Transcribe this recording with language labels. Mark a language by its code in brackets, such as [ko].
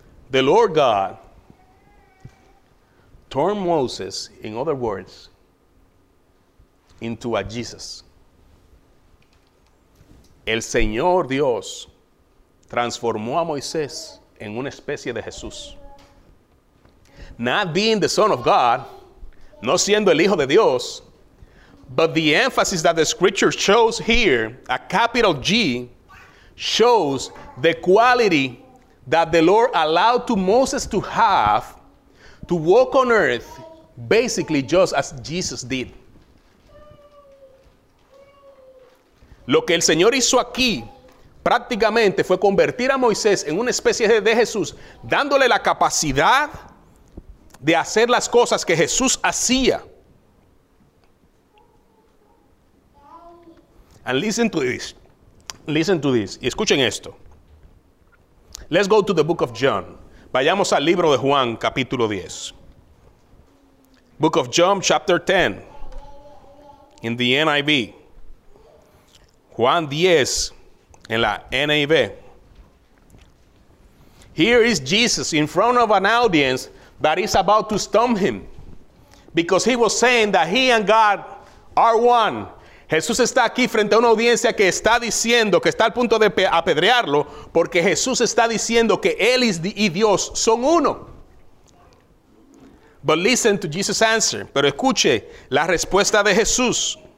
[en] The Lord God turned Moses, in other words, into a Jesus. [es] El Señor Dios transformó a Moisés en una especie de Jesús. [en] not being the Son of God, [es] no siendo el Hijo de Dios, [en] but the emphasis that the scripture shows here, a capital G, shows the quality that the Lord allowed to Moses to have to walk on earth basically just as Jesus did. [es] Lo que el Señor hizo aquí prácticamente fue convertir a Moisés en una especie de Jesús, dándole la capacidad de hacer las cosas que Jesús hacía. [en] And listen to this. Listen to this. [es] Y escuchen esto. [en] Let's go to the book of John. [es] Vayamos al libro de Juan, capítulo 10. [en] Book of John, chapter 10. In the NIV. [es] Juan 10, en la NIV. [en] Here is Jesus in front of an audience that is about to stone him, because he was saying that he and God are one. [es] Jesús está aquí frente a una audiencia que está diciendo, que está al punto de apedrearlo, porque Jesús está diciendo que él y Dios son uno. [en] But listen to Jesus' answer. [es] Pero escuche la respuesta de Jesús.